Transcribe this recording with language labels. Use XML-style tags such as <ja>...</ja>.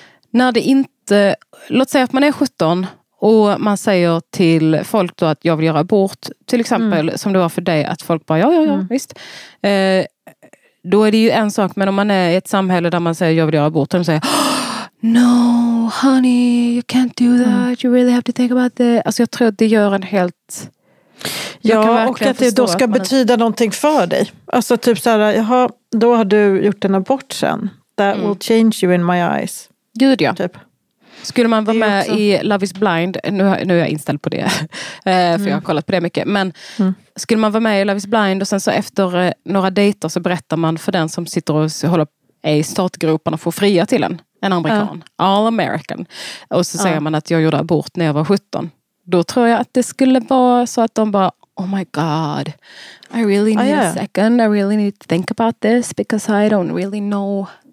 <sv>När det inte... Låt säga att man är 17 och man säger till folk då att jag vill göra abort, till exempel, som det var för dig, att folk bara, visst. Då är det ju en sak, men om man är i ett samhälle där man säger jag vill göra abort, och de säger,</sv> <en>no, honey, you can't do that. Mm. You really have to think about that.</en> <sv>Alltså jag tror att det gör en helt... Ja, och att det då ska betyda någonting för dig. Alltså typ så här, jaha, då har du gjort en abort sen.</sv> <en>That will change you in my eyes.</en> <sv>Gud ja. Typ. Skulle man vara med i Love is Blind, nu är jag inställd på det, för jag har kollat på det mycket, men skulle man vara med i Love is Blind och sen så efter några dejter så berättar man för den som sitter och håller i startgroparna och får fria till en amerikan, all American, och så säger man att jag gjorde abort när jag var 17. Då tror jag att det skulle vara så att de bara,</sv> <en>oh my god, I really need a second, I really need to think about this because I don't really know...</en>